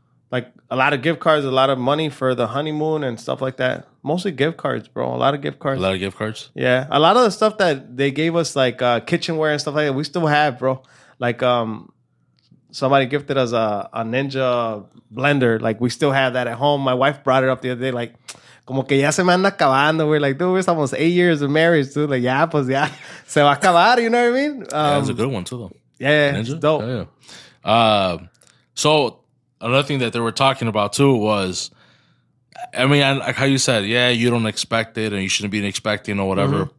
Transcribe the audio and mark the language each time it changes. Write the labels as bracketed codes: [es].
[en] Like a lot of gift cards, a lot of money for the honeymoon and stuff like that. Mostly gift cards, bro. A lot of gift cards. Yeah. A lot of the stuff that they gave us, like kitchenware and stuff like that, we still have, bro. Like, somebody gifted us a Ninja blender. Like, we still have that at home. My wife brought it up the other day. Like, [es] como que ya se me anda acabando. [en] We're like, dude, it's almost 8 years of marriage, dude. Like, yeah, [es] pues ya. Se va a acabar. [en] You know what I mean? Yeah, that's a good one, too, though. Yeah, yeah. Ninja? It's dope. Yeah, yeah. So, another thing that they were talking about, too, was, I mean, like how you said, yeah, you don't expect it and you shouldn't be expecting or whatever. Mm-hmm.